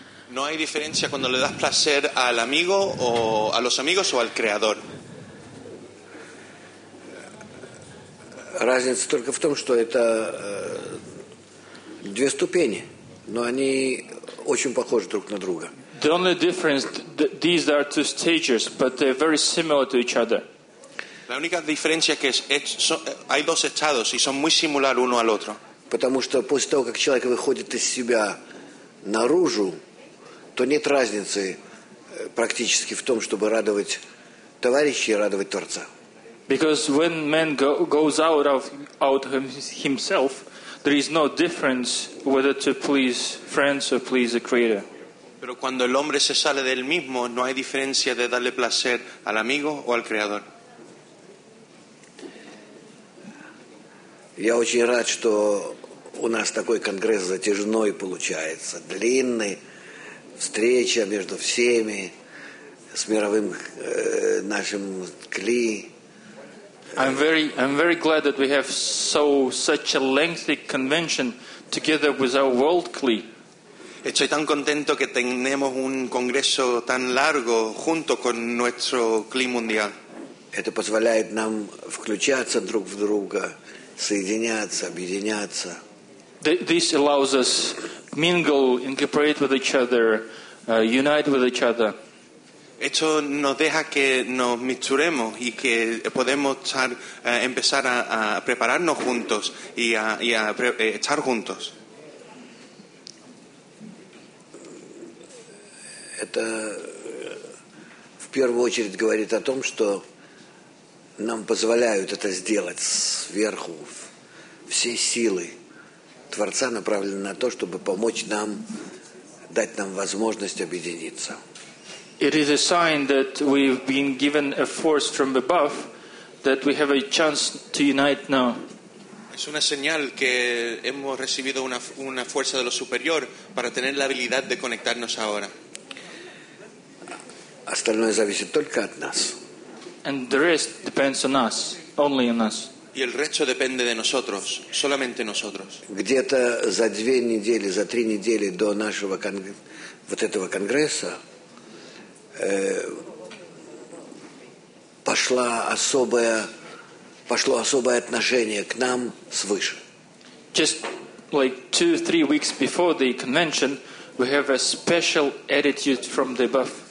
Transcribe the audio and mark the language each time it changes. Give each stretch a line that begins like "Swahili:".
Spanish: No hay diferencia cuando le das placer al amigo o a los amigos o al creador.
Russian: Разница только в том, что это две ступени, но они очень похожи друг на друга.
English: The only difference, these are two stages, but they're very similar to each other.
Spanish: La única diferencia que es hay dos estados y son muy similar uno al otro.
Russian: Потому что после того, как человек выходит из себя наружу, то нет разницы практически в том, чтобы радовать товарищей и радовать Творца.
English: Because when man goes out of himself, there is no difference whether to please friends or please the Creator.
Spanish: Pero cuando el hombre se sale del mismo, no hay diferencia de darle placer al amigo o al Creador.
Russian: Я очень рад, что у нас такой конгресс затяжной получается, длинный, встреча между всеми, с мировым нашим кли.
English: I'm very glad that we have such a lengthy convention together with our world CLI.
Spanish: Estoy tan contento que tenemos un congreso tan largo junto con nuestro CLI mundial.
Russian: Это позволяет нам включаться друг в друга, соединяться, объединяться.
English: This allows us mingle, incorporate with each other, unite with each other.
Spanish: Esto nos deja que nos misturemos y que podemos empezar a prepararnos juntos y a estar juntos.
Russian: Это в первую очередь говорит о том, что нам позволяют это сделать сверху. Все силы Творца направлены на то, чтобы помочь нам, дать нам возможность объединиться.
English: It is a sign that we've been given a force from above, that we have a chance to unite now.
Spanish: Es una señal que hemos recibido una fuerza de lo superior para tener la habilidad de conectarnos ahora.
Russian: Остальное зависит только от нас.
English: And the rest depends on us, only on us.
Spanish: Y el resto depende de nosotros, solamente nosotros.
Russian: Где-то за две недели, за три недели до нашего этого конгресса пошло особое отношение к нам свыше.
English: Just like 2-3 weeks before the convention, we have a special attitude from the above.